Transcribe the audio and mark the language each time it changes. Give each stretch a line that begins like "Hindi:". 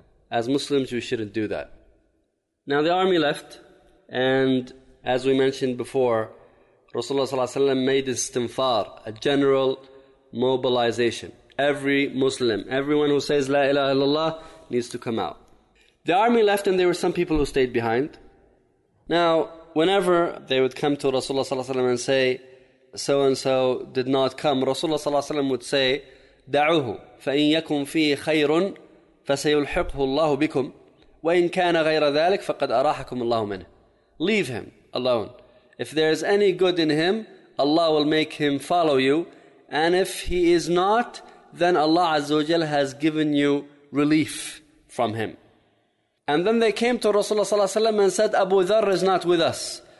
English: As Muslims, we shouldn't do that. Now the army left, and as we mentioned before, Rasulullah ﷺ made istinfar, a general mobilization. Every Muslim, everyone who says La ilaha illallah needs to come out. The army left, and there were some people who stayed behind. Now, whenever they would come to Rasulullah ﷺ and say, so-and-so did not come, Rasulullah ﷺ would say,
Arabic: دَعُوهُ فَإِن يَكُمْ فِيهِ خَيْرٌ فَسَيُلْحِقْهُ اللَّهُ بِكُمْ وَإِن كَانَ غَيْرَ ذَلِكَ فَقَدْ أَرَاحَكُمُ اللَّهُ مِنْهِ.
English: Leave him alone. If there is any good in him, Allah will make him follow you. And if he is not, then Allah Azza wa Jal has given you relief from him. And then they came to Rasulullah ﷺ and said, Abu Dharr is not with us.